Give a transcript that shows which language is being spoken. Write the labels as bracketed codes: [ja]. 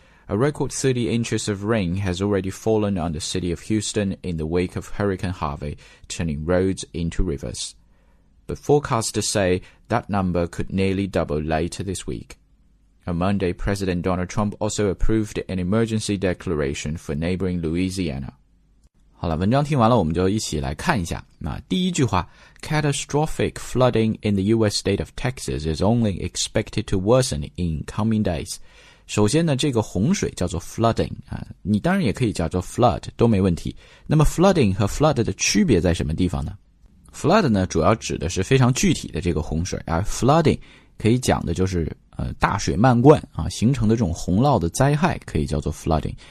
[en] A record 30 inches of rain has already fallen on the city of Houston in the wake of Hurricane Harvey, turning roads into rivers. But forecasters say that number could nearly double later this week. On Monday, President Donald Trump also approved an emergency declaration for neighboring Louisiana. [zh] 好了，文章听完了，我们就一起来看一下。那第一句话 [en] ，catastrophic flooding in the U.S. state of Texas is only expected to worsen in coming days。 [zh] 首先呢，这个洪水叫做 flooding 啊，你当然也可以叫做 flood， 都没问题。那么 flooding 和 flood 的区别在什么地方呢 ？flood 呢，主要指的是非常具体的这个洪水，而 flooding 可以讲的就是大水漫灌啊形成的这种洪涝的灾害可以叫做 flooding。